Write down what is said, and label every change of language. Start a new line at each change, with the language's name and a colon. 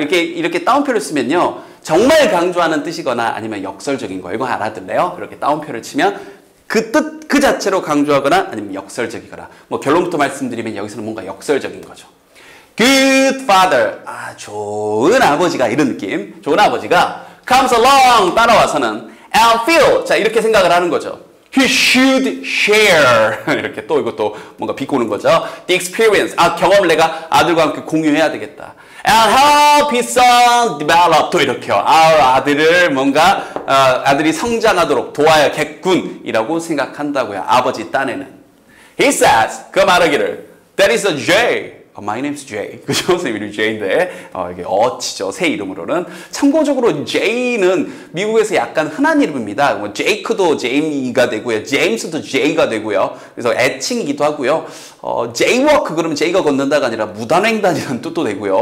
Korean: 이렇게 따옴표를 쓰면요. 정말 강조하는 뜻이거나 아니면 역설적인 거, 이거 알아들래요? 이렇게 따옴표를 치면 그 뜻 그 자체로 강조하거나 아니면 역설적이거나, 뭐 결론부터 말씀드리면 여기서는 뭔가 역설적인 거죠.
English: Good father.
Korean: 아, 좋은 아버지가, 이런 느낌. 좋은 아버지가
English: comes along,
Korean: 따라와서는
English: and feel.
Korean: 자, 이렇게 생각을 하는 거죠.
English: He should share.
Korean: 이렇게 또 이것도 뭔가 비꼬는 거죠.
English: The experience.
Korean: 아, 경험을 내가 아들과 함께 공유해야 되겠다.
English: And help his son develop.
Korean: 또 이렇게요. 아, 아들을 뭔가, 아들이 성장하도록 도와야겠군. 이라고 생각한다고요. 아버지 딴에는.
English: He says,
Korean: 그 말하기를,
English: that is a Jay. Oh, my name's Jay.
Korean: 그죠? 선생님 이름이 Jay인데, 이게 어치죠. 새 이름으로는. 참고적으로 Jay는 미국에서 약간 흔한 이름입니다. 뭐, Jake도 Jamie가 되고요. James도 Jay가 되고요. 그래서 애칭이기도 하고요. Jaywalk 그러면 Jay가 걷는다가 아니라 무단횡단이라는 뜻도 되고요.